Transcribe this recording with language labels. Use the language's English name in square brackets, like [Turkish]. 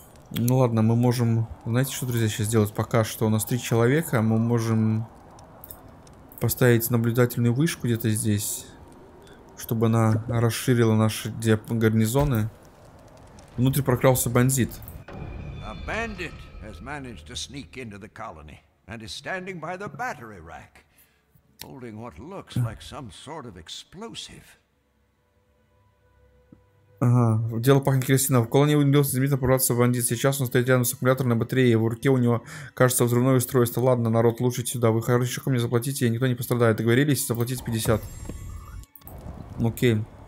[Russian] Ну ладно, мы можем... Знаете, что, друзья, сейчас сделать? Пока что у нас 3 человека, мы можем поставить наблюдательную вышку где-то здесь, чтобы она расширила наши гарнизоны. Внутрь прокрался бандит. [English] A bandit has managed to sneak into the colony and is standing by the battery rack, holding what looks like some sort of explosive. [Russian] Ага, дело пахнет керосином. В колонии удалось незаметно прорваться бандит. Сейчас он стоит рядом с аккумуляторной батареей. В руке у него, кажется, взрывное устройство. Ладно, народ, лучше сюда. Вы хорошо ко мне заплатите, и никто не пострадает. Договорились, заплатить 50. Окей.